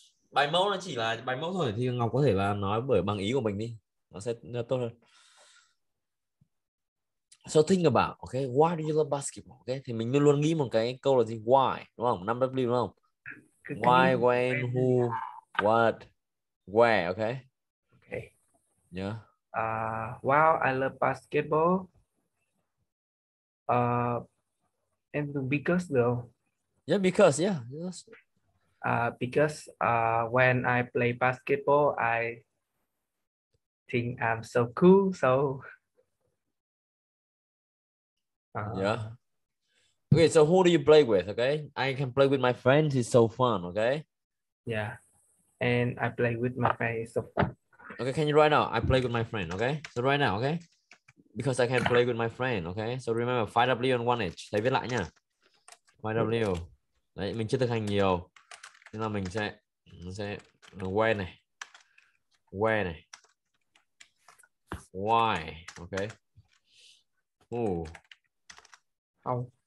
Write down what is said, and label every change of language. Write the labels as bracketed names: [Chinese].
[Vietnamese] Bài mẫu nó chỉ là bài mẫu thôi thì Ngọc có thể là nói bởi bằng ý của mình đi. Nó sẽ tốt hơn. [English] So think about, okay, why do you love basketball? [Vietnamese] Okay, thì mình luôn luôn nghĩ một cái câu là gì? [English] Why, [Vietnamese] đúng không? [English] 5W đúng không? Why, when, who, what, where, okay? Okay. Yeah. Well, I love basketball. And because though. Yeah, because, yeah. Yes. Because when I play basketball, I think I'm so cool. So. Yeah. Okay, so who do you play with? Okay, I can play with my friends. It's so fun. Okay. Yeah, and I play with my friends. So fun. Okay, can you right now? I play with my friend. Okay, so right now. Okay, because I can play with my friend. Okay, so remember 5W and 1H. [Vietnamese] Thầy viết lại nha. [English] 5W. [Vietnamese] Đấy, mình chưa thực hành nhiều. Nên là mình sẽ where này why, okay, who, [English] how